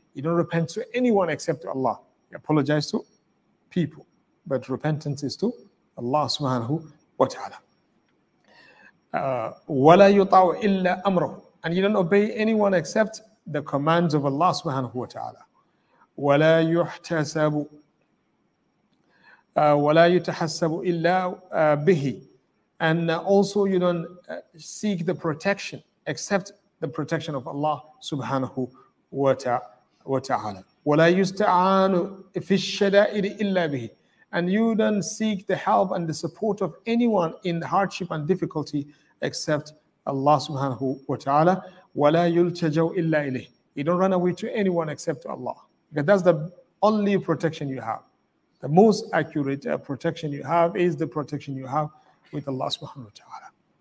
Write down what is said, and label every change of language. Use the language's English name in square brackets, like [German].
[English] You don't repent to anyone except to Allah. You apologize to people, but repentance is to Allah subhanahu wa ta'ala. [Arabic] وَلَا يُطَعُ إِلَّا أَمْرَهُ. [English] And you don't obey anyone except the commands of Allah subhanahu wa ta'ala. [Arabic] وَلَا يُحْتَسَبُ ولا يتحسب إلا به. [English] And also you don't seek the protection except the protection of Allah subhanahu wa ta'ala. [Arabic] ولا يستعان في الشدائد إلا به. [English] And you don't seek the help and the support of anyone in hardship and difficulty except Allah subhanahu wa ta'ala. [Arabic] ولا يلتجو إلا إليه. [English] You don't run away to anyone except to Allah. Because that's the only protection you have. The most accurate protection you have is the protection you have with Allah subhanahu wa ta'ala.